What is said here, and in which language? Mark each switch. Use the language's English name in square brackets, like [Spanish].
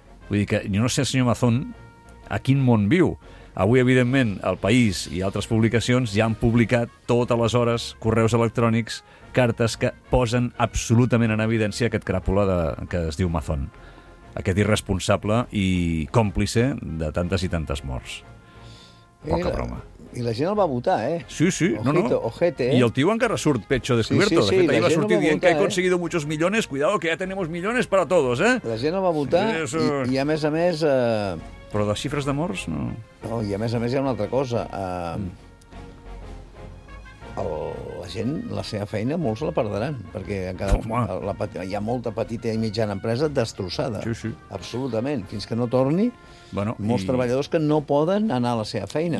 [Catalan] Vull dir que jo no sé, el senyor Mazón, a quin món viu. Avui, evidentment, El País i altres publicacions ja han publicat totes les hores correus electrònics, cartes que posen absolutament en evidència aquest cràpula que es diu Mazón, aquest irresponsable i còmplice de tantes i tantes morts. Poca broma. I la gent el va votar, eh? Sí, sí. [Spanish] Ojito, ojete, eh? [Catalan] I el tio encara surt [Spanish] pecho descubierto. [Catalan] Sí, sí, sí. De fet, ahir va sortir dient va votar, [Spanish] que he conseguido muchos millones, cuidado, que ya tenemos millones para todos, eh? [Catalan] La gent el va votar, sí, eso... I a més... Però de xifres de morts, no... No, i a més hi ha una altra cosa. La gent, la seva feina, molts la perdran, perquè hi ha molta petita i mitjana empresa destrossada. Sí, sí. Absolutament. Fins que no torni, bueno, molts treballadors que no poden anar a la seva feina.